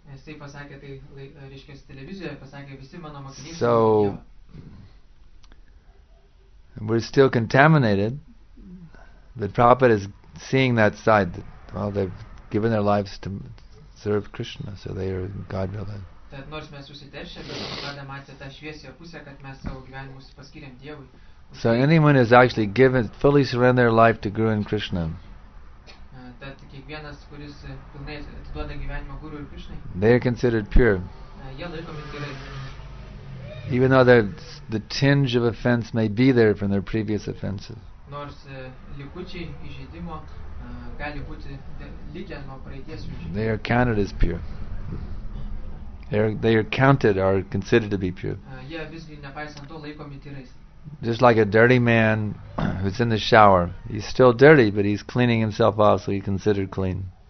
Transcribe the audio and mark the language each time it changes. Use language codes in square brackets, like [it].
[lt] Jisai pasakė tai, reiškia, televizijoje pasakė visi mano mokiniai. [en] So we're still contaminated, but Prabhupada is seeing that side that, well, they've given their lives to serve Krishna, so they are God realized. [lt] Tad nors mes susiteršę, bet Prabhupada matė tą šviesią pusę, kad mes savo gyvenimus paskyrėm Dievui. [en] So anyone is actually given, fully surrender their life to Guru and Krishna. [lt] Tad kiekvienas, kuris pilnai atiduoda gyvenimą Guru ir Krishnai, [en] they are considered pure. [lt] Jie laikomi gerai. [en] Even though the tinge of offense may be there from their previous offenses. [lt] Nors likučiai įžeidimo gali būti likę nuo praeities. [en] They are counted as pure. They are counted or considered to be pure. [lt] Jie visgi nepaisant to laikomi tyrais. [en] Just like a dirty man who's in the shower. He's still dirty, but he's cleaning himself off, so he's considered clean.